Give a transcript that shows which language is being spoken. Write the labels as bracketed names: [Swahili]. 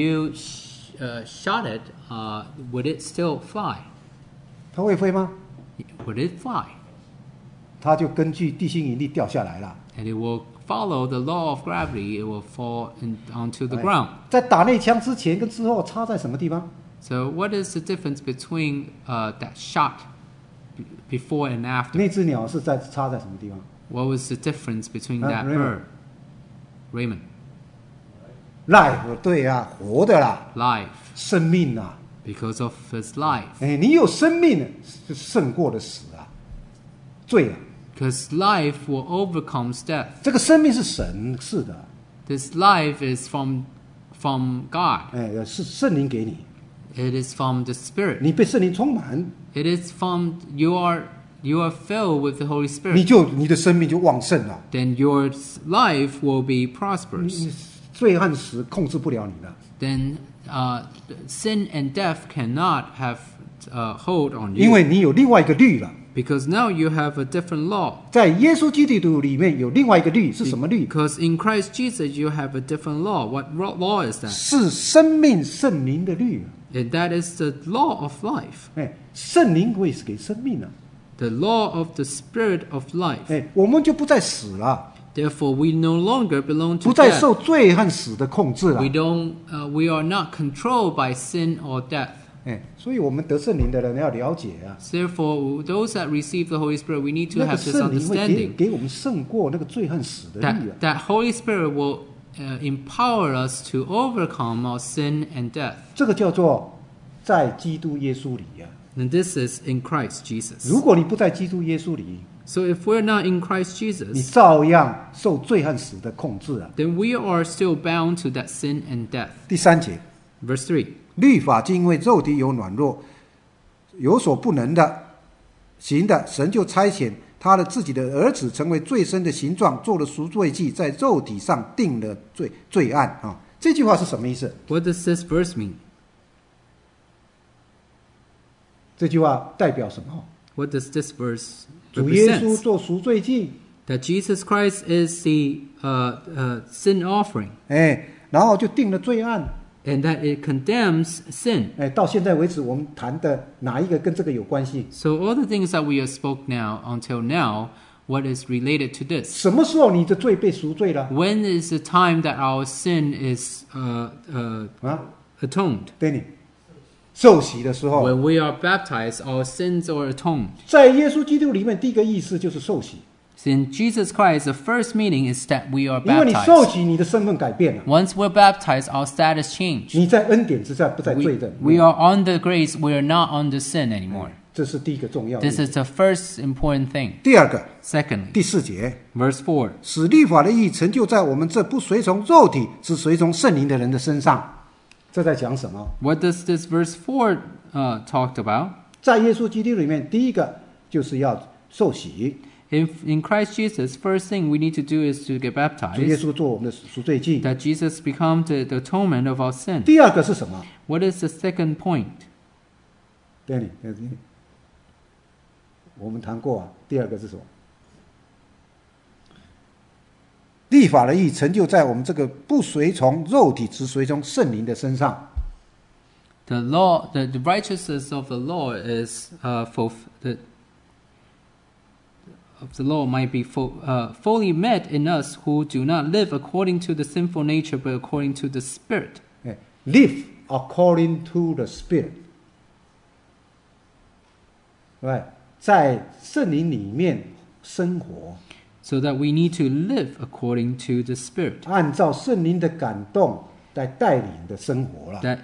[English] When you shot it, would it still fly? [Chinese] 它会飞吗？ [English] Would it fly? [Chinese] 它就根据地心引力掉下来了。 [English] And it will follow the law of gravity. It will fall onto the ground. [Chinese] 在打那枪之前跟之后差在什么地方？ [English] So what is the difference between that shot? Before and after. [Chinese] 那只鸟是在插在什么地方？ [English] What was the difference between that bird? Raymond. Life, [Chinese] 对啊，活的啦。 [English] Life. [Chinese] 生命啊。 [English] Because of his life. [Chinese] 你有生命是胜过了死啊。罪啊。 [English] Because life will overcome death. [Chinese] 这个生命是神赐的。 [English] This life is from God. [Chinese] 是圣灵给你。 [English] It is from the Spirit. [Chinese] 你被圣灵充满。 [English] It is from you are filled with the Holy Spirit. [Chinese] 你的生命就旺盛了。 [English] Then your life will be prosperous. [Chinese] 罪和死控制不了你的。 [English] Then sin and death cannot have hold on you. [Chinese] 因为你有另外一个律了。 [English] Because now you have a different law. [Chinese] 在耶稣基督徒里面有另外一个律，是什么律？ [English] Because in Christ Jesus you have a different law. What law is that? [Chinese] 是生命圣灵的律。 [English] And that is the law of life. [Chinese] 圣灵会给生命啊。 [English] The law of the spirit of life. [Chinese] 我们就不再死了。 [English] Therefore, we no longer belong to death. [Chinese] 不再受罪和死的控制了。 [English] We are not controlled by sin or death. [Chinese] 所以我们得圣灵的人要了解啊。 [English] Therefore, those that receive the Holy Spirit, we need to have this understanding. [Chinese] 那个圣灵会给我们胜过那个罪和死的力啊。 [English] That Holy Spirit will empower us to overcome our sin and death. [Chinese] 这个叫做在基督耶稣里啊。 [English] And this is in Christ Jesus. [Chinese] 如果你不在基督耶稣里， [English] So if we're not in Christ Jesus, [Chinese] 你照样受罪和死的控制啊。 [English] Then we are still bound to that sin and death. [Chinese] 第三节， [English] Verse 3， [Chinese] 律法竟因为肉体有软弱，有所不能的行的，神就差遣他的自己的儿子成为罪身的形状，做了赎罪祭，在肉体上定了罪案啊。这句话是什么意思？ [English] What does this verse mean? [Chinese] 这句话代表什么？ [English] What does this verse represent? [Chinese] 主耶稣做赎罪祭。 [English] That Jesus Christ is the sin offering. [Chinese] 然后就定了罪案。 [English] And that it condemns sin. [Chinese] 到现在为止我们谈的哪一个跟这个有关系？ [English] So all the things that we have spoken now, until now, what is related to this? [Chinese] 什么时候你的罪被赎罪了？ [English] When is the time that our sin is atoned? [Chinese] Danny, 受洗的时候。 [English] When we are baptized, our sins are atoned. [Chinese] 在耶稣基督里面第一个意思就是受洗。 [English] In Jesus Christ, the first meaning is that we are baptized. [Chinese] 因为你受洗，你的身份改变了。 [English] Once we're baptized, our status changed. [Chinese] 你在恩典之下，不在罪的。 [English] We are on the grace, we are not on the sin anymore. [Chinese] 这是第一个重要的。 [English] This is the first important thing. [Chinese] 第二个。 [English] Secondly. [Chinese] 第四节。 [English] Verse 4. [Chinese] 使律法的义成就在我们这不随从肉体，只随从圣灵的人的身上。这在讲什么？ [English] What does this verse 4 talk about? [Chinese] 在耶稣基督里面，第一个就是要受洗。 [English] In Christ Jesus, first thing we need to do is to get baptized. [Chinese] 主耶稣做我们的赎罪祭。 [English] That Jesus become the atonement of our sin. [Chinese] 第二个是什么？ [English] What is the second point? [Chinese] Danny, 我们谈过啊，第二个是什么？律法的义成就在我们这个不随从肉体，只随从圣灵的身上。 [English] The law, the righteousness of the law is fully met in us who do not live according to the sinful nature but according to the spirit. Live according to the spirit. Right, [Chinese] 在圣灵里面生活。 [English] So that we need to live according to the spirit. [Chinese] 按照圣灵的感动来带领的生活了。